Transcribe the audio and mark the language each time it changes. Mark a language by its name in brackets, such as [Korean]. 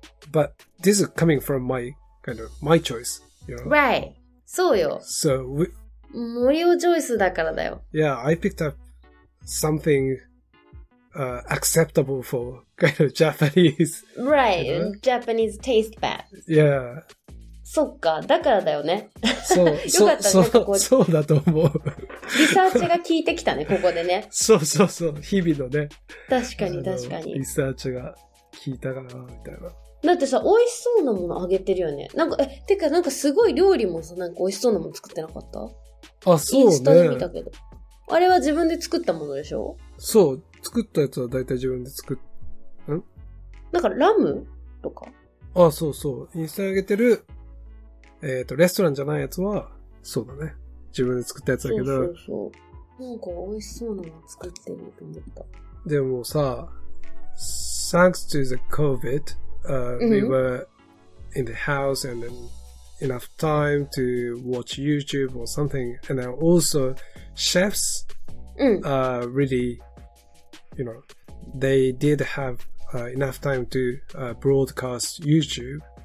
[English] But this is coming from my choice, you know? Right, [Japanese] そうよ。 [English] So we. [Japanese] 森尾チョイスだからだよ。 [English] Yeah, I picked up something. Acceptable for kind of Japanese. Right, you know? Japanese taste buds. Yeah. [Japanese] そっか、だからだよね。そう、よかったね、ここ。そうだと思う。リサーチが効いてきたね、ここでね。そうそうそう、日々のね。確かに確かに。リサーチが効いたかな、みたいな。だってさ、美味しそうなものあげてるよね。なんか、てかなんかすごい料理もさ、なんか美味しそうなもの作ってなかった？あ、そうね。インスタで見たけど。あれは自分で作ったものでしょ？そう。作ったやつは大体自分で作っ、ん？なんかラムとか。あ、そうそう。インスタに上げてる、レストランじゃないやつは、そうだね。自分で作ったやつだけど。そうそうそう。なんか美味しそうなの作ってると思った。でもさ、 [English] thanks to the COVID, we were in the house and then enough time to watch YouTube or something. And then also chefs are really, you know, they did have enough time to broadcast YouTube.